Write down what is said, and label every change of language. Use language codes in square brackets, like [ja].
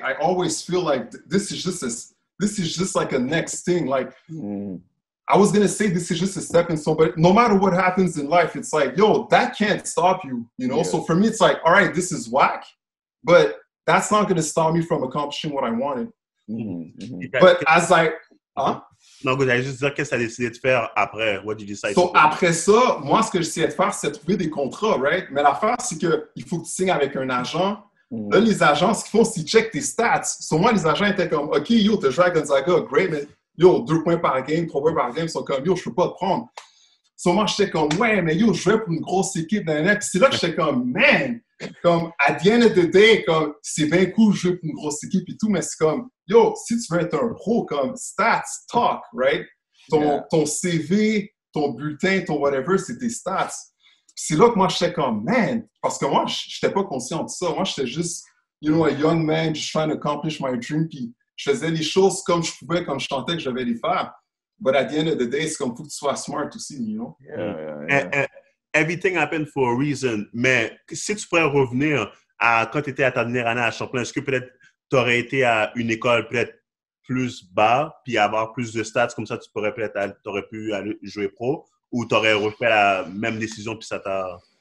[en] I always feel like this is just like a next thing. Like I was gonna say this is just a stepping stone, but no matter what happens in life, it's like, yo, that can't stop you, you know. Yeah. So for me, it's like, all right, this is whack, but that's not going to stop me from accomplishing what I wanted. Mm-hmm. But as I... [fr] Non, mais j'allais juste dire, qu'est-ce que tu as décidé de faire après? [en] What did you decide to do? [fr] So, après ça, moi, ce que j'essayais de faire, c'est de trouver des contrats, right? Mais l'affaire, c'est qu'il faut que tu signes avec un agent. Mm-hmm. Là, les agents, ce qu'ils font, c'est qu'ils checkent tes stats. So, moi, les agents étaient comme, OK, yo, t'as joué à Gonzaga, great, mais yo, 2 points par game, 3 points par game, ils sont comme, yo, je peux pas te prendre. So, moi, j'étais comme, ouais, mais yo, je jouais pour une grosse équipe d'un an. Puis c'est là que j'étais comme, man! Comme, [en] at the end of the day, [fr] comme, c'est bien cool de jouer pour une grosse équipe et tout, mais c'est comme, yo, si tu veux être un pro, comme, [en] stats, talk, right? [fr] Ton CV, ton bulletin, ton whatever, c'est tes stats. Puis c'est là que moi, j'étais comme, man! Parce que moi, j'étais pas conscient de ça. Moi, j'étais juste, [en] you know, a young man, just trying to accomplish my dream. [fr] Puis je faisais les choses comme je pouvais, comme je tentais que j'avais les faire. [en] But at the end of the day, it's [fr] comme faut que tu sois [en] smart aussi, you know? Yeah, yeah, yeah. Everything happened for a reason. [fr] Mais si tu pourrais revenir à quand tu étais à ta dernière année à Champlain, est-ce que peut-être tu aurais été à une école peut-être plus bas puis avoir plus de stats, comme ça tu pourrais peut-être t'aurais pu aller jouer pro, ou tu aurais refait la même décision puis ça t'a